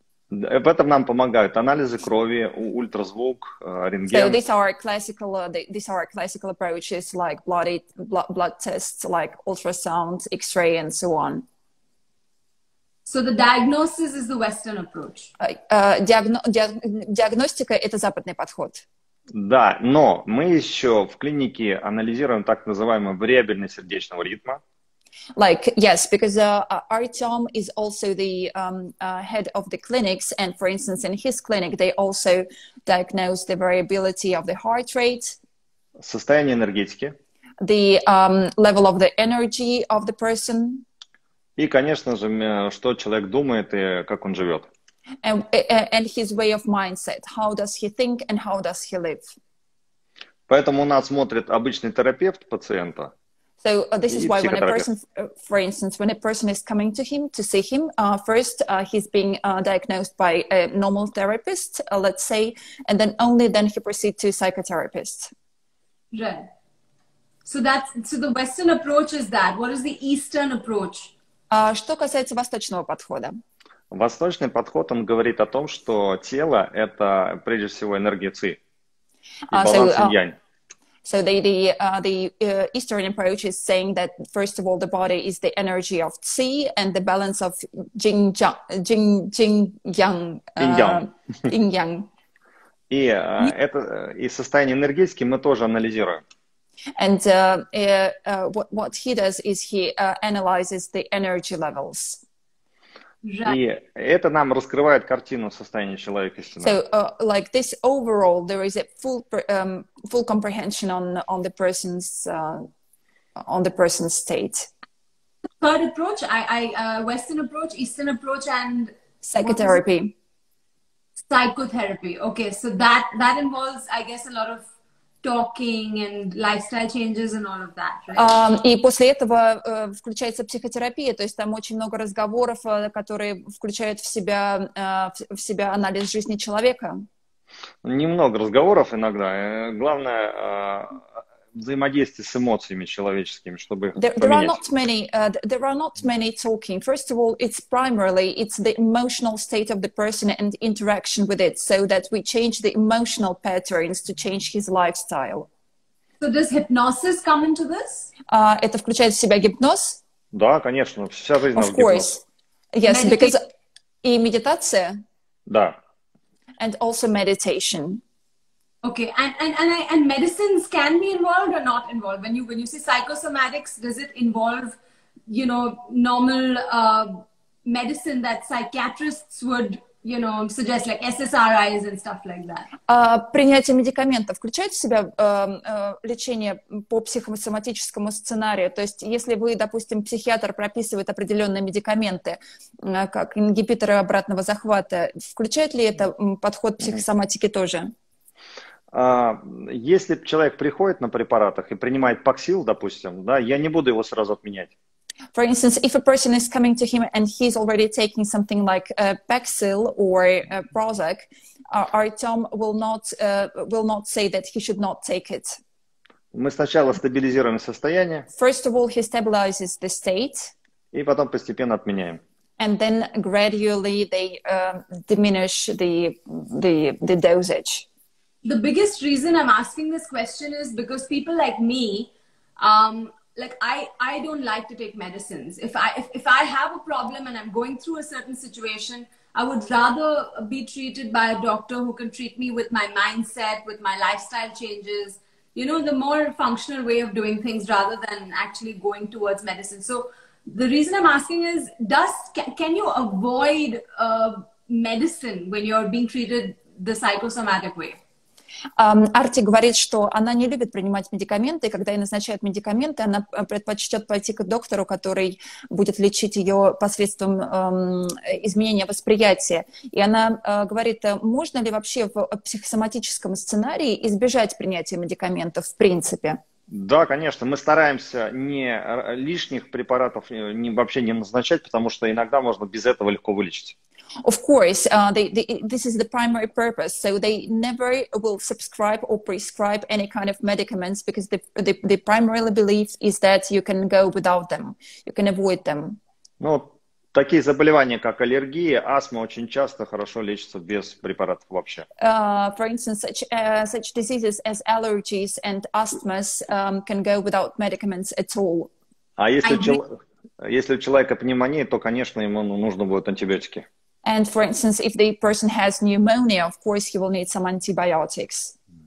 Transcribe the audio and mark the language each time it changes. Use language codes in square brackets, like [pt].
[ru] В этом нам помогают анализы крови, ультразвук, рентген. [en] So these are classical approaches like blood tests, like ultrasound, X-ray, and so on. So the diagnosis is the Western approach. [ru] Диагностика это западный подход. Да, но мы еще в клинике анализируем так называемый вариабельный сердечного ритма. [en] Like, yes, because Artyom is also the head of the clinics, and for instance, in his clinic, they also diagnose the variability of the heart rate. [ru] Состояние энергетики. [en] The level of the energy of the person. [ru] И, конечно же, что человек думает и как он живет. [en] And his way of mindset. How does he think and how does he live? [ru] Поэтому нас смотрит обычный терапевт пациента. [en] So this is why when a person, for instance, when a person is coming to him to see him, first he's being diagnosed by a normal therapist, let's say, and then only then he proceeds to psychotherapist. Right. So the Western approach is that. What is the Eastern approach? [ru] Что касается восточного подхода? Восточный подход, он говорит о том, что тело — это прежде всего энергия ци и баланс янь. [en] So the Eastern approach is saying that first of all the body is the energy of qi and the balance of yin yang. [ru] И состояние энергетики мы тоже анализируем. [en] And what he does is he analyzes the energy levels. [ru] Right. И это нам раскрывает картину состояния человека истинно. [en] So, like this overall, there is a full comprehension on the person's state. Third approach, Western approach, Eastern approach, and psychotherapy. Psychotherapy. Okay, so that involves, I guess, a lot of talking and lifestyle changes and all of that, right? [ru] И после этого включается психотерапия, то есть там очень много разговоров, которые включают в себя анализ жизни человека. Немного разговоров иногда. Главное, взаимодействие с эмоциями человеческими, чтобы их поменять. [en] There are not many, there are not many talking. First of all, it's primarily, it's the emotional state of the person and interaction with it, so that we change the emotional patterns to change his lifestyle. So does hypnosis come into this? [ru] Это включает в себя гипноз? Да, конечно, вся жизнь в гипноз. [en] Yes, because [ru] и медитация? Да. [en] And also meditation. Okay, and medicines can be involved or not involved? When you say psychosomatics, does it involve, you know, normal medicine that psychiatrists would, you know, suggest, like SSRIs and stuff like that? [ru] Принятие медикаментов включает в себя лечение по психосоматическому сценарию? То есть, если вы, допустим, психиатр прописывает определенные медикаменты, как ингибиторы обратного захвата, включает ли это подход психосоматики тоже? Если человек приходит на препаратах и принимает Паксил, допустим, да, я не буду его сразу отменять. [en] For instance, if a person is coming to him and he's already taking something like Paxil or Prozac, our Tom will not say that he should not take it. [ru] Мы сначала стабилизируем состояние. [en] First of all, he stabilizes the state. [ru] И потом постепенно отменяем. [en] And then gradually they diminish the dosage. The biggest reason I'm asking this question is because people like me, I don't like to take medicines. If I have a problem and I'm going through a certain situation, I would rather be treated by a doctor who can treat me with my mindset, with my lifestyle changes, you know, the more functional way of doing things rather than actually going towards medicine. So the reason I'm asking is, can you avoid medicine when you're being treated the psychosomatic way? [ru] Арти говорит, что она не любит принимать медикаменты, и когда ей назначают медикаменты, она предпочтет пойти к доктору, который будет лечить ее посредством изменения восприятия. И она говорит, можно ли вообще в психосоматическом сценарии избежать принятия медикаментов в принципе? Да, конечно. Мы стараемся не лишних препаратов вообще не назначать, потому что иногда можно без этого легко вылечить. [en] Of course, this is the primary purpose. So they never will subscribe or prescribe any kind of medicaments because the primary belief is that you can go without them, you can avoid them. [ru] Ну, такие заболевания, как аллергия, астма, очень часто хорошо лечатся без препаратов вообще. [en] For instance, such diseases as allergies and asthmas can go without medicaments at all. [ru] А если у человека пневмония, то, конечно, ему нужно будут антибиотики. [en] And for instance, if the person has pneumonia, of course, he will need some antibiotics.